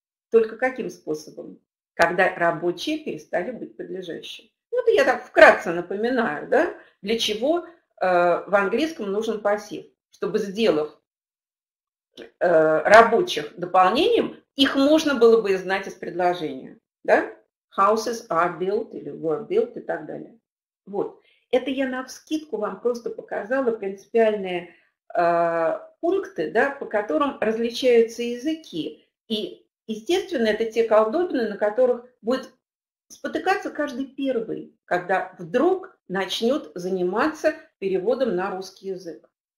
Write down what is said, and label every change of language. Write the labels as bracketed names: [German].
[Russian] Только каким способом? Когда рабочие перестали быть подлежащими. Ну, это я так вкратце напоминаю, да, для чего в английском нужен пассив. Чтобы, сделав рабочих дополнением, их можно было бы знать из предложения. Да? [English] Houses are built [Russian] или [English] were built [Russian] и так далее. Вот. Это я навскидку вам просто показала принципиальные пункты, да, по которым различаются языки. И, естественно, это те колдобины, на которых будет спотыкаться каждый первый, когда вдруг начнет заниматься переводом на русский язык.